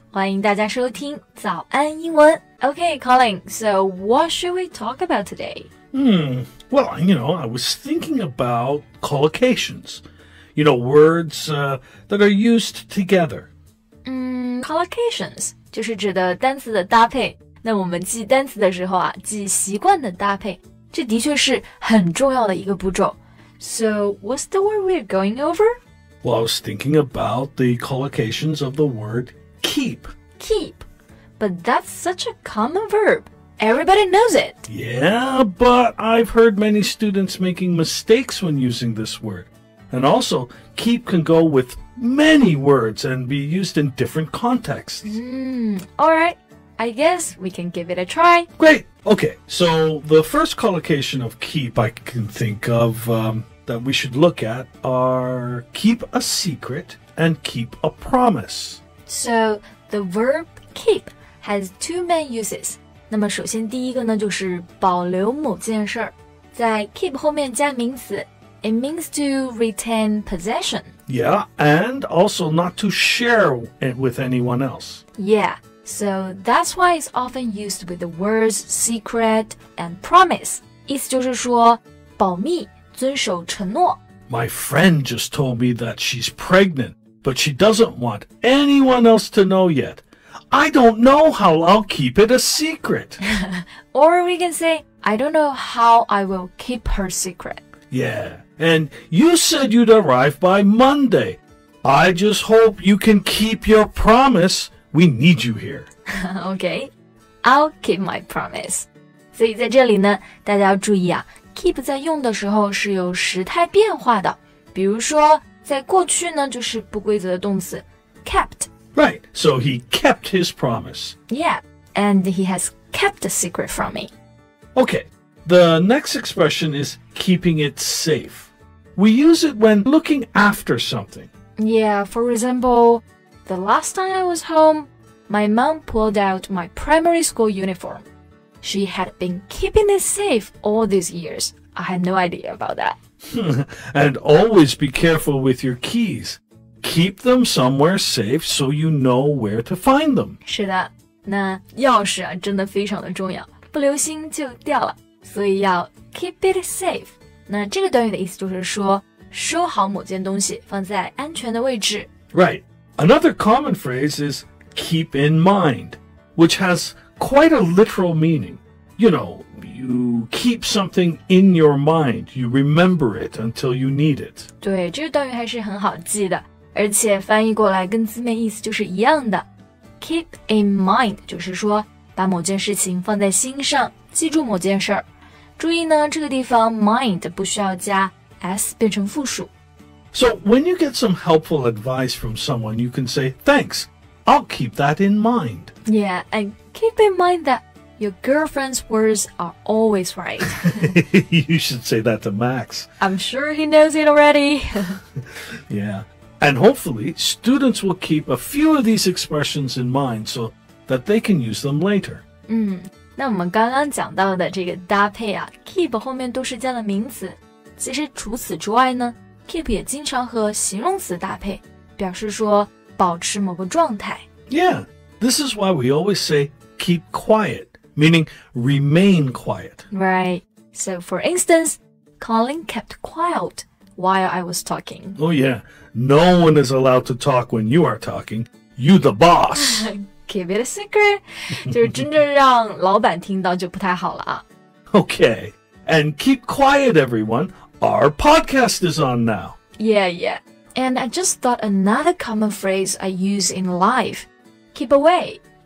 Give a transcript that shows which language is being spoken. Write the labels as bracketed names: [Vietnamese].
[Chinese] 欢迎大家收听早安英文。 [English] Okay, Colin, so what should we talk about today? Well, you know, I was thinking about collocations. You know, words, that are used together. [Chinese] Collocations, 就是指的单词的搭配。那我们记单词的时候啊，记习惯的搭配，这的确是很重要的一个步骤。 [English] So, what's the word we're going over? Well, I was thinking about the collocations of the word keep. Keep. But that's such a common verb. Everybody knows it. Yeah, but I've heard many students making mistakes when using this word. And also, keep can go with many words and be used in different contexts. All right. I guess we can give it a try. Great. Okay. So, the first collocation of keep I can think of, that we should look at are keep a secret and keep a promise. So, the verb keep has two main uses. [Chinese] 那么首先第一个呢就是保留某件事儿。在 keep 后面加名词 [English] it means to retain possession. Yeah, and also not to share it with anyone else. Yeah, so that's why it's often used with the words secret and promise. [Chinese] 意思就是说保密遵守承诺。 [English] My friend just told me that she's pregnant, but she doesn't want anyone else to know yet. I don't know how I'll keep it a secret. Or we can say, I don't know how I will keep her secret. Yeah, and you said you'd arrive by Monday. I just hope you can keep your promise. We need you here. Okay, I'll keep my promise. [Chinese] 所以在这里呢，大家要注意啊。 Keep 在用的时候是有时态变化的，比如说在过去呢就是不规则的动词 kept. [English] Right, so he kept his promise. Yeah, and he has kept a secret from me. Okay, the next expression is keeping it safe. We use it when looking after something. Yeah, for example, the last time I was home, my mom pulled out my primary school uniform. She had been keeping it safe all these years. I had no idea about that. And always be careful with your keys. Keep them somewhere safe so you know where to find them. [Chinese] 是的，那钥匙啊真的非常的重要，不留心就掉了。所以要 [English] keep it safe. [Chinese] 那这个短语的意思就是说，收好某件东西，放在安全的位置。 [English] Right. Another common phrase is keep in mind, which has... quite a literal meaning. You know, you keep something in your mind. You remember it until you need it. [Chinese] 对，这个短语还是很好记的，而且翻译过来跟字面意思就是一样的。 [English] Keep in mind [Chinese] 就是说把某件事情放在心上，记住某件事儿。注意呢，这个地方 mind 不需要加 s 变成复数。 [English] So when you get some helpful advice from someone, you can say thanks. I'll keep that in mind. Yeah, andKeep in mind that your girlfriend's words are always right. You should say that to Max. I'm sure he knows it already. Yeah. And hopefully, students will keep a few of these expressions in mind so that they can use them later. [Chinese] 那我们刚刚讲到的这个搭配啊 keep 后面都是加了名词。其实除此之外呢 keep 也经常和形容词搭配表示说保持某个状态。 [English] Yeah, this is why we always sayKeep quiet, meaning remain quiet. Right. So, for instance, Colin kept quiet while I was talking. Oh, yeah. No one is allowed to talk when you are talking. You the boss. Keep it a secret. [Chinese] 就是真正让老板听到就不太好了啊。 [English] Okay. And keep quiet, everyone. Our podcast is on now. Yeah, yeah. And I just thought another common phrase I use in life. Keep away.